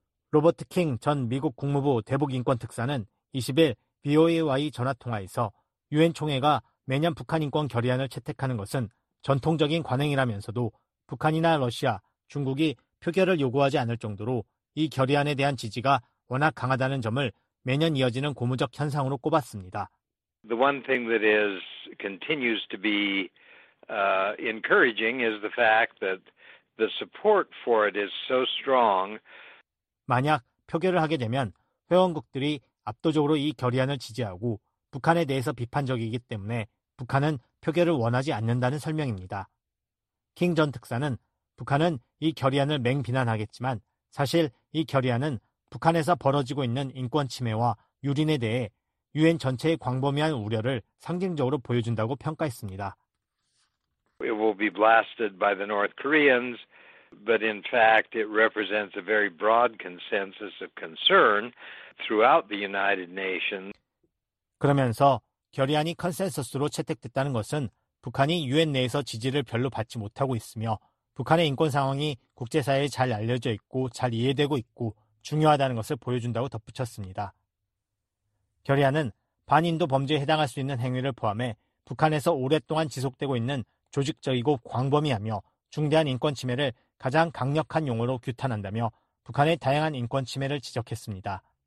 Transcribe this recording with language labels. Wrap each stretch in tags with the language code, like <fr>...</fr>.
<ko>로버트 킹 전 미국 국무부 대북 인권 특사는 20일 VOA와의 전화 통화에서 유엔 총회가 매년 북한 인권 결의안을 채택하는 것은 전통적인 관행이라면서도 북한이나 러시아, 중국이 표결을 요구하지 않을 정도로 이 결의안에 대한 지지가 워낙 강하다는 점을 매년 이어지는 고무적 현상으로 꼽았습니다.</ko> <en>The one thing that is continues to be encouraging is the fact that the support for it is so strong.</en> <ko>만약 표결을 하게 되면 회원국들이 압도적으로 이 결의안을 지지하고 북한에 대해서 비판적이기 때문에 북한은 표결을 원하지 않는다는 설명입니다. 킹 전 특사는 북한은 이 결의안을 맹비난하겠지만 사실 이 결의안은 북한에서 벌어지고 있는 인권 침해와 유린에 대해 유엔 전체의 광범위한 우려를 상징적으로 보여준다고 평가했습니다.</ko> <en>It will be blasted by the North Koreans, but in fact it represents a very broad consensus of concern throughout the United Nations.</en> <ko>그러면서 결의안이 컨센서스로 채택됐다는 것은 북한이 유엔 내에서 지지를 별로 받지 못하고 있으며 북한의 인권 상황이 국제사회에 잘 알려져 있고 잘 이해되고 있고 중요하다는 것을 보여준다고 덧붙였습니다. 결의안은 반인도 범죄에 해당할 수 있는 행위를 포함해 북한에서 오랫동안 지속되고 있는 조직적이고 광범위하며 중대한 인권 침해를 가장 강력한 용어로 규탄한다며 북한의 다양한 인권 침해를 지적했습니다.</ko>